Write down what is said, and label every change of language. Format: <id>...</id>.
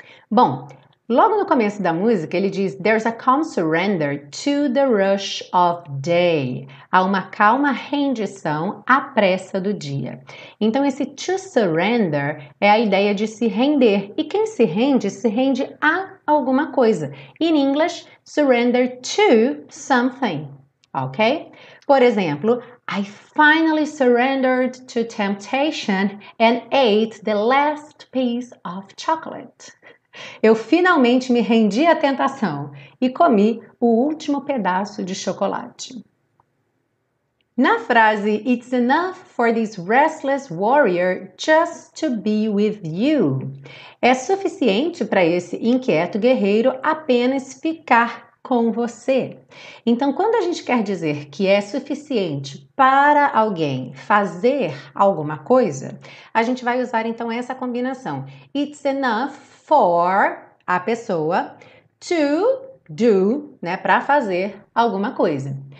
<pt>Bom, logo no começo da música ele diz,</pt> <en>There's a calm surrender to the rush of day.</en> <pt>Há uma calma rendição à pressa do dia. Então esse to surrender é a ideia de se render. E quem se rende a alguma coisa.</pt> <en>In English, surrender to something. Ok?</en> <pt>Por exemplo,</pt> <en>I finally surrendered to temptation and ate the last piece of chocolate.</en> <pt>Eu finalmente me rendi à tentação e comi o último pedaço de chocolate. Na frase,</pt> <en>it's enough for this restless warrior just to be with you.</en> <pt>É suficiente para esse inquieto guerreiro apenas ficar com você. Então, quando a gente quer dizer que é suficiente para alguém fazer alguma coisa, a gente vai usar então essa combinação.</pt> <en>It's enough for a</en> <pt>pessoa</pt> <en>to do,</en> <pt>né, para fazer alguma coisa.</pt>